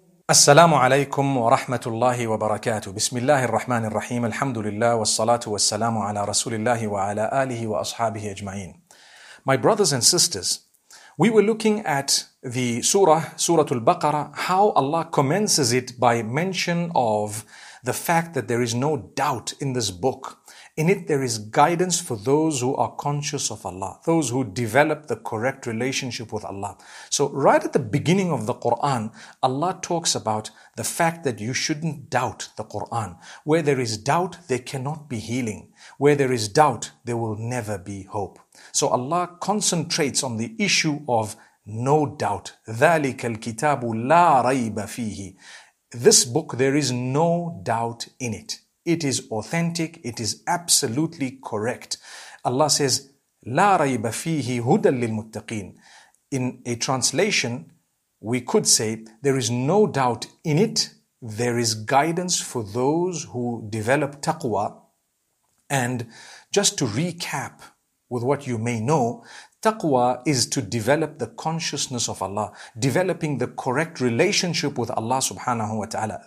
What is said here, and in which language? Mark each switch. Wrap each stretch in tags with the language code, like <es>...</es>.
<ar>السلام عليكم ورحمة الله وبركاته. بسم الله الرحمن الرحيم. الحمد لله والصلاة والسلام على رسول الله وعلى آله وأصحابه أجمعين.</ar> <en>My brothers and sisters, we were looking at the surah, Surah Al-Baqarah, how Allah commences it by mention of the fact that there is no doubt in this book. In it, there is guidance for those who are conscious of Allah, those who develop the correct relationship with Allah. So right at the beginning of the Quran, Allah talks about the fact that you shouldn't doubt the Quran. Where there is doubt, there cannot be healing. Where there is doubt, there will never be hope. So Allah concentrates on the issue of no doubt.</en> <ar>ذَلِكَ الْكِتَابُ لَا رَيْبَ فِيهِ.</ar> <en>This book, there is no doubt in it. It is authentic. It is absolutely correct.</en> <ar>Allah says, لَا رَيْبَ فِيهِ هُدًى لِلْمُتَّقِينَ.</ar> <en>In a translation, we could say, there is no doubt in it. There is guidance for those who develop taqwa. And just to recap with what you may know, taqwa is to develop the consciousness of Allah, developing the correct relationship with Allah subhanahu wa ta'ala.</en>